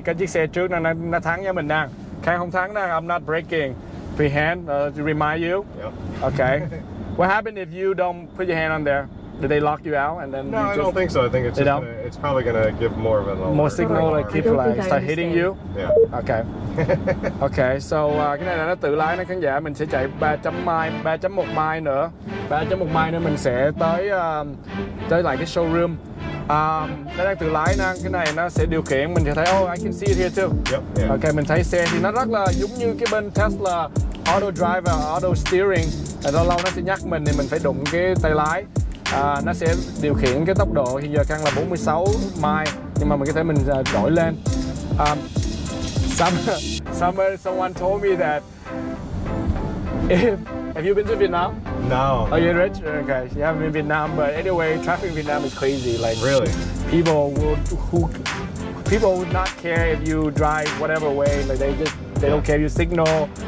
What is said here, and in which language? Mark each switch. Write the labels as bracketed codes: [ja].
[vi] Cái chiếc xe trước nó thắng cho mình đang. Khang không thắng đang, [en] I'm not braking. Put your hand to remind you. Yep. Okay. What happened if you don't put your hand on there? Did they lock you out and then? No, I don't think so. I think it's just gonna, it's probably gonna give more of an alarm. More signal, like keep like start hitting you. Yeah. Okay. Okay. [vi] So cái này là nó tự lái nó khán giả, mình sẽ chạy 3.1 mile nữa. 3.1 mile nữa mình sẽ tới tới lại cái showroom. Nó đang tự lái nè, cái này nó sẽ điều khiển, mình sẽ thấy [en] oh I can see it here too. Yep. Yeah. [vi] Okay, mình thấy xe thì nó rất là giống như cái bên Tesla auto driver, auto steering. Lâu lâu nó sẽ nhắc mình thì mình phải đụng cái tay lái. Nó sẽ điều khiển cái tốc độ, hiện giờ Khang là 46 mile, nhưng mà mình có thể mình đổi lên. [en] Someone told me that have you been to Vietnam? No. Oh, you're rich? Okay, you haven't been to Vietnam, but anyway, traffic in Vietnam is crazy. Like, really? People would not care if you drive whatever way, like they just, they don't care if you signal.